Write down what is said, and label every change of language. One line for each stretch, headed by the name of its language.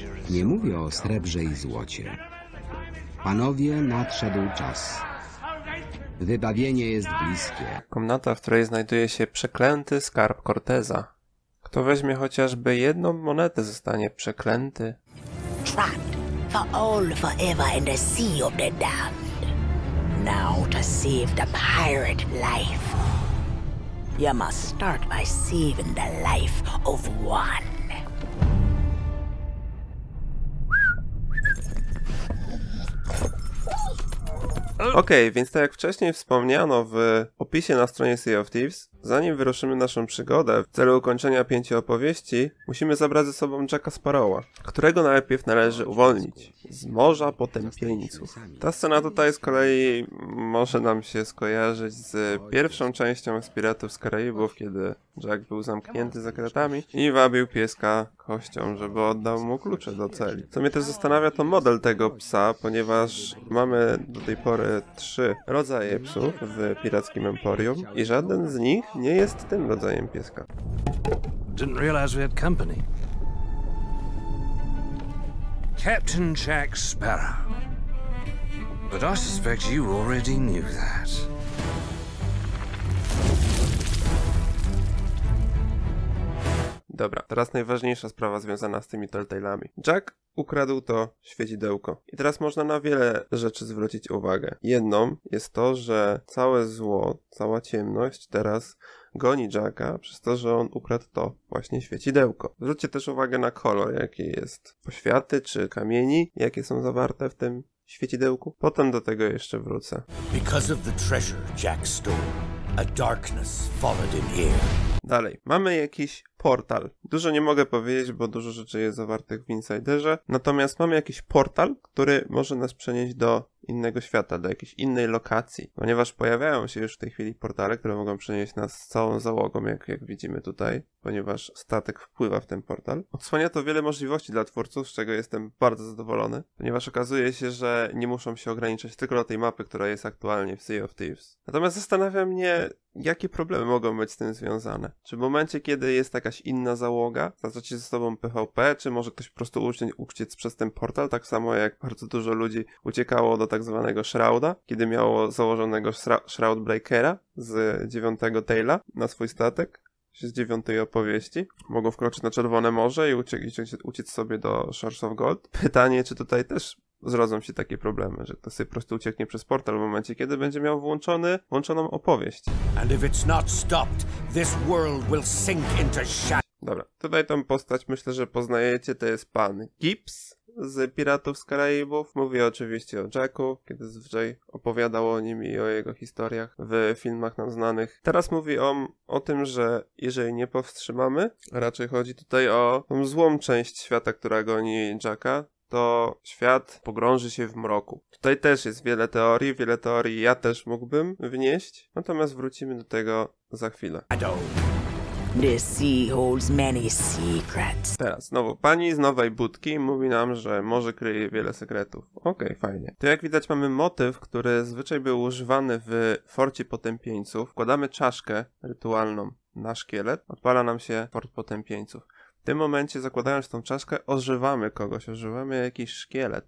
Polish: Nie mówię o srebrze i złocie. Panowie, nadszedł czas. Wybawienie jest bliskie. Komnata, w której znajduje się przeklęty skarb Corteza. Kto weźmie chociażby jedną monetę, zostanie przeklęty.
English: Trapped for all forever in the sea of the damned. Now to save the pirate life. You must start by saving the life of one.
Polish: Okej, więc tak jak wcześniej wspomniano w opisie na stronie Sea of Thieves, zanim wyruszymy naszą przygodę w celu ukończenia 5 opowieści, musimy zabrać ze sobą Jacka Sparrowa, którego najpierw należy uwolnić z Morza Potępieńców. Ta scena tutaj z kolei może nam się skojarzyć z pierwszą częścią z Piratów z Karaibów, kiedy Jack był zamknięty za kratami i wabił pieska kością, żeby oddał mu klucze do celi. Co mnie też zastanawia, to model tego psa, ponieważ mamy do tej pory 3 rodzaje psów w pirackim emporium i żaden z nich nie jest tym rodzajem pieska.
English: Didn't realize we had company. Captain Jack Sparrow. But I suspect you already knew that.
Polish: Dobra, teraz najważniejsza sprawa związana z tymi telltale'ami. Jack ukradł to świecidełko. I teraz można na wiele rzeczy zwrócić uwagę. Jedną jest to, że całe zło, cała ciemność teraz goni Jacka przez to, że on ukradł to właśnie świecidełko. Zwróćcie też uwagę na kolor, jaki jest poświaty czy kamieni, jakie są zawarte w tym świecidełku. Potem do tego jeszcze wrócę.
English: Because of the treasure Jack stole, a darkness followed him here.
Polish: Dalej, mamy jakiś portal. Dużo nie mogę powiedzieć, bo dużo rzeczy jest zawartych w Insiderze. Natomiast mamy jakiś portal, który może nas przenieść do innego świata, do jakiejś innej lokacji. Ponieważ pojawiają się już w tej chwili portale, które mogą przenieść nas z całą załogą, jak widzimy tutaj, ponieważ statek wpływa w ten portal. Odsłania to wiele możliwości dla twórców, z czego jestem bardzo zadowolony, ponieważ okazuje się, że nie muszą się ograniczać tylko do tej mapy, która jest aktualnie w Sea of Thieves. Natomiast zastanawia mnie, jakie problemy mogą być z tym związane. Czy w momencie, kiedy jest jakaś inna załoga, zatraci ze sobą PvP, czy może ktoś po prostu uciec przez ten portal, tak samo jak bardzo dużo ludzi uciekało do tak zwanego Shrouda, kiedy miało założonego Shroudbreakera z 9 Tale'a na swój statek, z 9 opowieści. Mogą wkroczyć na Czerwone Morze i uciec sobie do Shores of Gold. Pytanie, czy tutaj też zrodzą się takie problemy, że ktoś sobie po prostu ucieknie przez portal w momencie, kiedy będzie miał włączoną opowieść.
English: And if it's not stopped, this world will sink into shadow.
Polish: Dobra, tutaj tą postać myślę, że poznajecie, to jest pan Gibbs z Piratów z Karaibów. Mówię oczywiście o Jacku, kiedy zwyczaj opowiadał o nim i o jego historiach w filmach nam znanych. Teraz mówi on o tym, że jeżeli nie powstrzymamy, raczej chodzi tutaj o tą złą część świata, która goni Jacka, to świat pogrąży się w mroku. Tutaj też jest wiele teorii ja też mógłbym wnieść. Natomiast wrócimy do tego za chwilę.
English: This sea holds many secrets.
Polish: Teraz znowu pani z nowej budki mówi nam, że morze kryje wiele sekretów. Okej, fajnie. To jak widać mamy motyw, który zwyczaj był używany w Forcie Potępieńców. Wkładamy czaszkę rytualną na szkielet. Odpala nam się Fort Potępieńców. W tym momencie, zakładając tą czaszkę, ożywamy kogoś, ożywamy jakiś szkielet.